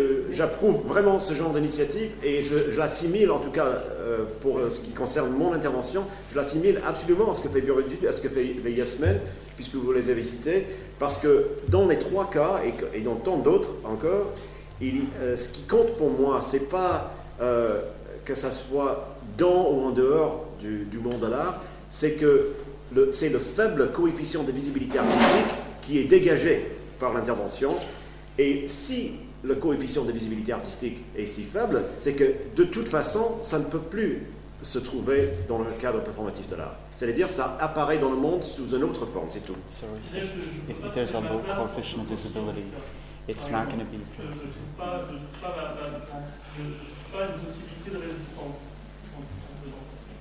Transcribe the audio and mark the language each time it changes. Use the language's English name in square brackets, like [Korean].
[French] J'approuve vraiment ce genre d'initiative et je l'assimile, en tout cas pour ce qui concerne mon intervention, je l'assimile absolument à ce que fait Bureau d'études, à ce que fait les Yes Men, puisque vous les avez cités, parce que dans les trois cas et dans tant d'autres encore, ce qui compte pour moi, c'est pas que ça soit dans ou en dehors du monde de l'art, c'est que c'est le faible coefficient de visibilité artistique qui est dégagé par l'intervention. Et si le coefficient de visibilité artistique est si faible, c'est que de toute façon, ça ne peut plus se trouver dans le cadre performatif de l'art. C'est-à-dire, ça apparaît dans le monde sous une autre forme, c'est tout. [English] So he says, if there's a low coefficient of visibility, it's not going to be. [French] Je ne trouve pas une possibilité de résistance.